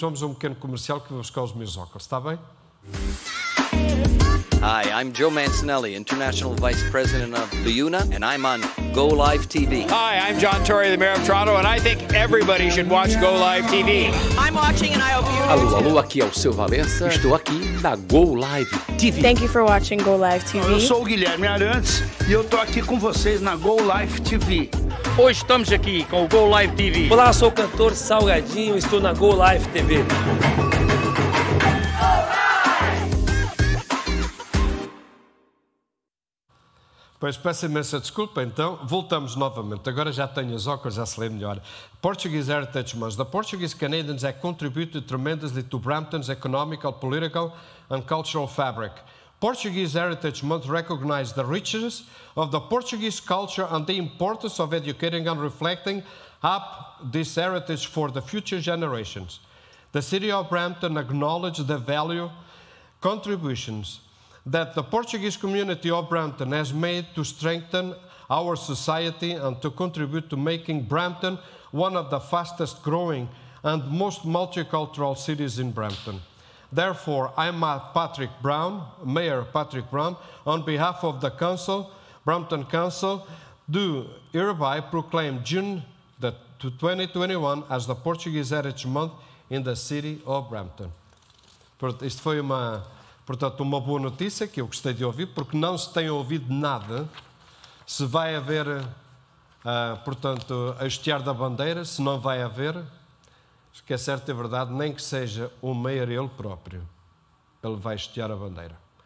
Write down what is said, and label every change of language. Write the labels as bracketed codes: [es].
[pt] Vamos a um pequeno comercial que vou buscar os meus óculos, está bem? [en] Hi, I'm Joe Mancinelli, International Vice President of Luna, and I'm on Go Live TV. Hi, I'm John Tory, the Mayor of Toronto, and I think everybody should watch Go Live TV. I'm watching and I hope you [pt] are. Alô, aqui é o Seu Valença. Estou aqui na Go Live TV. [en] Thank you for watching Go Live TV. [pt] Eu sou o Guilherme Arantes e eu estou aqui com vocês na Go Live TV. Hoje estamos aqui com o Go Live TV. Olá, sou o cantor Salgadinho e estou na Go Live TV. Pois, peço imensa desculpa, então, voltamos novamente. Agora já tenho os óculos, já se lê melhor. [en] Portuguese Heritage Month. The Portuguese Canadians have contributed tremendously to Brampton's economical, political and cultural fabric. Portuguese Heritage Month recognizes the richness of the Portuguese culture and the importance of educating and reflecting up this heritage for the future generations. The city of Brampton acknowledged the value contributions that the Portuguese community of Brampton has made to strengthen our society and to contribute to making Brampton one of the fastest growing and most multicultural cities in Brampton. Therefore, I'm Patrick Brown, Mayor Patrick Brown, on behalf of the Council, Brampton Council, do hereby proclaim June the 2021 as the Portuguese Heritage Month in the city of Brampton. [pt] Isto foi uma... Portanto, uma boa notícia, que eu gostei de ouvir, porque não se tem ouvido nada se vai haver, portanto, a hastear da bandeira, se não vai haver, o que é certo e verdade, nem que seja o mayor ele próprio, ele vai hastear a bandeira.